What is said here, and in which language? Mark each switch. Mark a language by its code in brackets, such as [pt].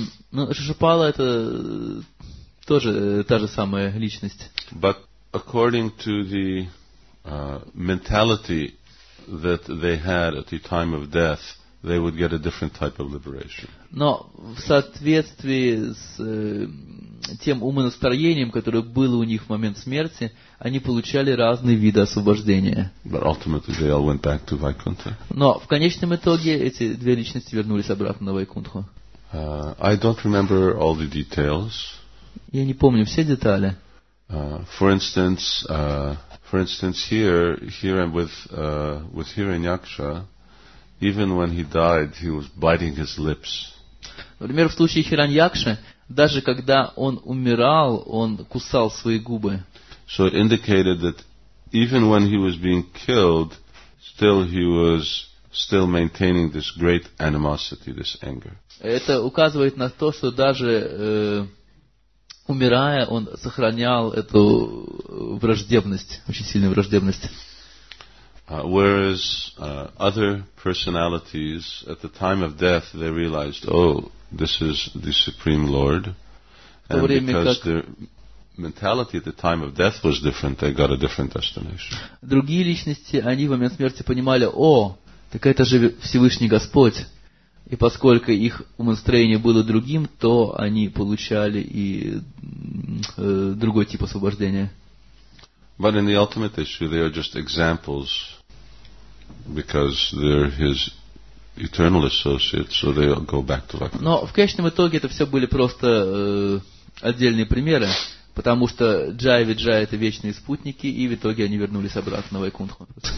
[ru] Ну, Шишупала это тоже та же самая личность. [en] But according to the mentality that they had at the time of death, they would get a different type of liberation. [ru] Но в соответствии с тем умонастроением, которое было у них в момент смерти, они получали разные виды освобождения. [en] But ultimately they all went back to Vaikuntha. [ru] Но в конечном итоге эти две личности вернулись обратно на Вайкунтху. [en] I don't remember all the details. [ru] Я не помню все детали. [en] For instance, here I'm with Hiranyaksha. Even when he died, he was biting his lips. [ru] Например, в случае Хираньякши, даже когда он умирал, он кусал свои губы. [en] So it indicated that even when he was being killed, still he was still maintaining this great animosity, this anger. [ru] Это указывает на то, что даже умирая, он сохранял эту враждебность, очень сильную враждебность. [en] Whereas other personalities at the time of death, they realized, oh, this is the Supreme Lord. And because their mentality at the time of death was different, they got a different destination. [ru] Другие личности, они в момент смерти понимали, о, так это же Всевышний Господь. И поскольку их умонастроение было другим, то они получали и другой тип освобождения. [en] But in the ultimate issue, they are just examples. Because they're his eternal associates, so they go back to Vaikuntha. [ru] Но в конечном итоге это все были просто отдельные примеры, потому что Джай и Виджай это вечные спутники, и в итоге они вернулись обратно на Вайкунтху.